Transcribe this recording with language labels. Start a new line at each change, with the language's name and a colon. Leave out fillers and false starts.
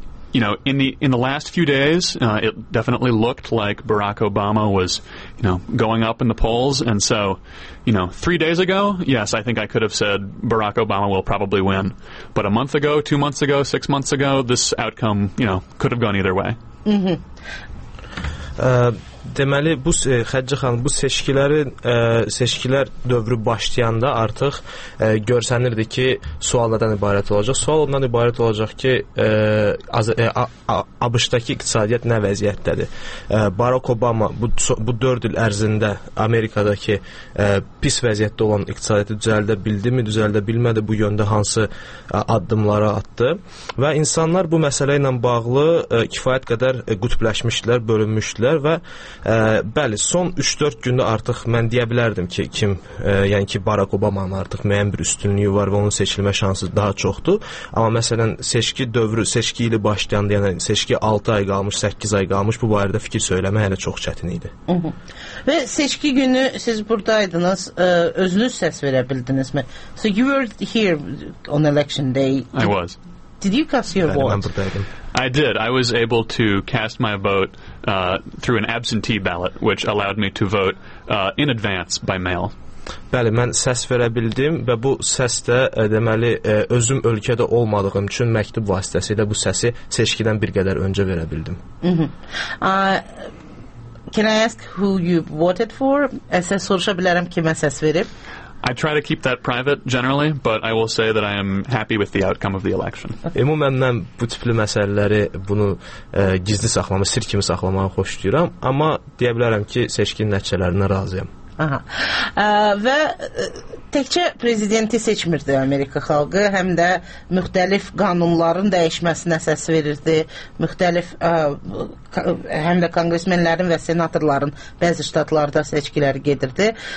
English: You know, in the last few days, it definitely looked like Barack Obama was, you know, going up in the polls. And so, you know, 3 days ago, yes, I think I could have said Barack Obama will probably win. But a month ago, 2 months ago, 6 months ago, this outcome, you know, could have gone either way.
Azerbaijani: Deməli, bu Xəcci xanım, bu seçkilər dövrü başlayanda artıq görsənirdi ki, suallardan ibarət olacaq. Sual ondan ibarət olacaq ki, ABŞ-dakı iqtisadiyyat nə vəziyyətdədir? Barack Obama bu 4 il ərzində Amerikadakı pis vəziyyətdə olan iqtisadiyyatı düzəldə bildimi, düzəldə bilmədi, bu yöndə hansı addımları attı? Və insanlar bu məsələ ilə bağlı kifayət qədər qütbləşmişdilər, bölünmüşdülər və bəli, son 3-4 gündə artıq mən deyə bilərdim ki, kim, yəni ki, Barack Obama'nın artıq müəyyən bir üstünlüyü var və onun seçilmə şansı daha çoxdur. Amma məsələn, seçki dövrü, seçki ili başlayanda, yəni seçki 6 ay qalmış, 8 ay qalmış, bu barədə fikir söyləmək hələ çox çətin idi. Və seçki günü siz buradaydınız, özünüz səs verə bildiniz mi?
English: So you were here on election day. I was. Did you cast your vote?
Azerbaijani: Mən buradaydım.
English: I did. I was able to cast my vote through an absentee ballot, which allowed me to vote in advance by mail.
Azerbaijani: Bəli, mən səs verə bildim və bu səs də deməli özüm ölkədə olmadığım üçün məktub vasitəsilə bu səsi seçkidən bir qədər öncə verə bildim.
English: Can I ask who you voted for?
Azerbaijani: Əsas soruşa bilərəm kimə səs verib?
English: I try to keep that private generally, but I will say that I am happy with the outcome of the election.
Azerbaijani: Ümumən mən bu tipli məsələləri bunu gizli saxlamağı, sirr kimi saxlamağı xoşlayıram, amma deyə bilərəm ki, seçkinin nəticələrinə razıyam. Və təkcə prezidenti seçmirdi Amerika xalqı, həm də müxtəlif qanunların dəyişməsinə səs verirdi, müxtəlif həm də kongresmenlərin və senatorların bəzi ştatlarda seçkiləri gedirdi.